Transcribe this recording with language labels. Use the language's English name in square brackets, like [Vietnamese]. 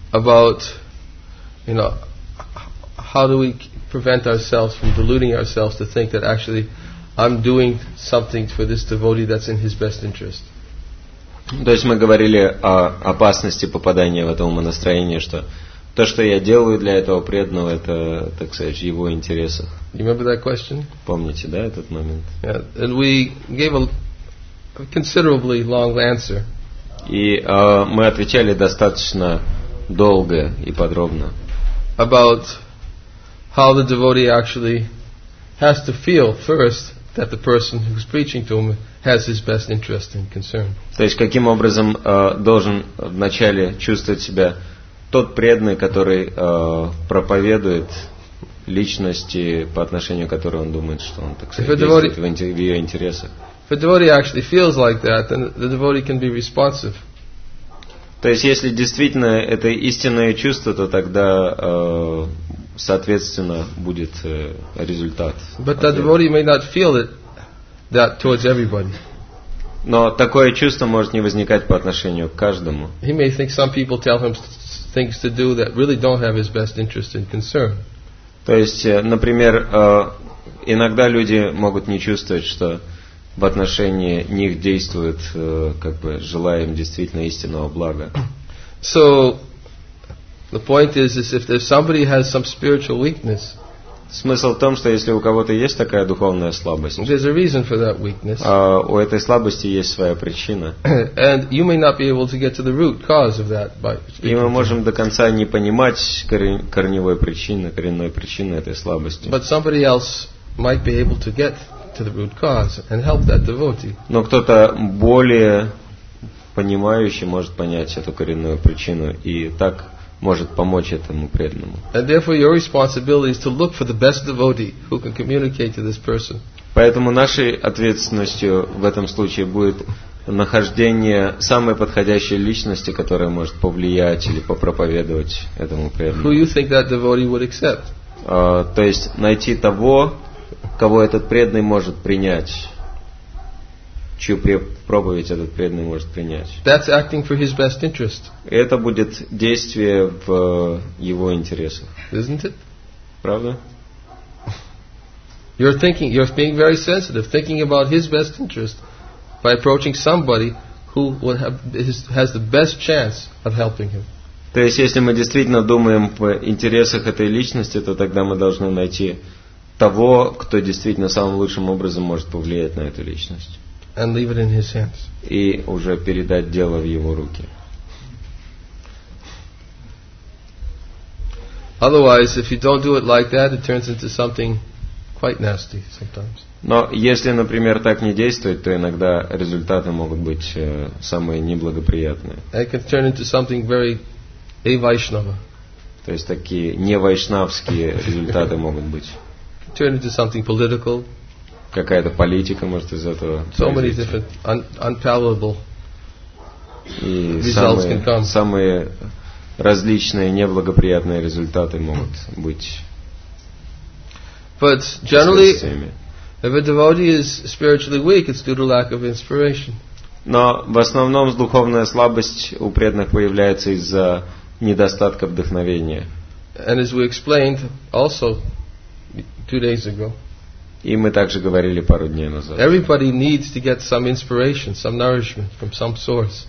[English] About, you know, how do we prevent ourselves from deluding ourselves to think that actually I'm doing something for this devotee that's in his best interest. [Russian] То есть мы говорили о опасности попадания в это умонастроение, что то, что я делаю для этого преданного, это, так сказать, в его интересах. [English] You remember that question? [Russian] Помните, да, этот момент? [English] Yeah. And we gave a considerably long answer. [Russian] И мы отвечали достаточно долго и подробно. [English] About how the devotee actually has to feel first that the person who's preaching to him has his best interest and concern. [Russian] То есть каким образом должен вначале чувствовать себя тот преданный, который проповедует личности, по отношению к которой он думает, что он, так сказать, действует в ее интересах. [English] If a devotee actually feels like that, then the devotee can be responsive. [Russian] То есть, если действительно это истинное чувство, то тогда, соответственно, будет результат. [English] But that devotee may not feel it that towards everybody. [Russian] Но такое чувство может не возникать по отношению к каждому. [English] He may think some people tell him things to do that really don't have his best interest and concern. [Russian] То есть, например, иногда люди могут не чувствовать, что в отношении них действует, как бы, желая им действительно истинного блага. [English] So, the point is if somebody has some spiritual weakness, [Russian] смысл в том, что если у кого-то есть такая духовная слабость, [English] there's a reason for that weakness. [Russian] У этой слабости есть своя причина. [English] And you may not be able to get to the root cause of that by speaking. [Russian] И мы можем до конца не понимать коренной причины этой слабости. [English] But somebody else might be able to get to the root cause and help that devotee. [Russian] Но кто-то более понимающий может понять эту коренную причину и так может помочь этому преданному. [English] And therefore your responsibility is to look for the best devotee who can communicate to this person. [Russian] Поэтому нашей ответственностью в этом случае будет нахождение самой подходящей личности, которая может повлиять или попроповедовать этому преданному. [English] Who you think that devotee would accept? [Russian] То есть найти того, кого этот преданный может принять, чью проповедь этот преданный может принять. [English] That's acting for his best interest. [Russian] Это будет действие в его интересах. [English] Isn't it? [Russian] Правда? [English] You're thinking, you're being very sensitive, thinking about his best interest by approaching somebody who will has the best chance of helping him. [Russian] То есть, если мы действительно думаем в интересах этой личности, то тогда мы должны найти того, кто действительно самым лучшим образом может повлиять на эту личность. [English] And leave it in his hands. [Russian] И уже передать дело в его руки. [English] Otherwise, if you don't do it like that, it turns into something quite nasty sometimes. [Russian] Но если, например, так не действовать, то иногда результаты могут быть самые неблагоприятные. [English] It can turn into something very avaishnava. [Russian] То есть такие невайшнавские результаты могут быть. [English] Turn into something political. [Russian] какая-то политика может из этого [English] so many different unparalleled results can come. [Russian] Самые различные неблагоприятные результаты могут быть. [English] But generally, if a devotee is spiritually weak, it's due to lack of inspiration. [Russian] Но в основном духовная слабость у преданных появляется из-за недостатка вдохновения. [English] And as we explained also 2 days ago. [Russian] И мы также говорили пару дней назад. [English] Everybody needs to get some inspiration, some nourishment from some source.